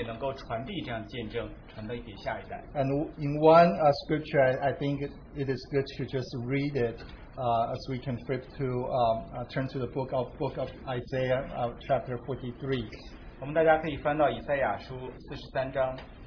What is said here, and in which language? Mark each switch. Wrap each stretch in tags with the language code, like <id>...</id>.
<zh>同时也是我们的责任，不单我们承受这样的见证，我们也能够传递这样的见证，传递给下一代。</zh> <en>And in one scripture, I think it is good to just read it as we can flip to turn to the book of Isaiah chapter 43.</en> <zh>我们大家可以翻到以赛亚书43章。</zh>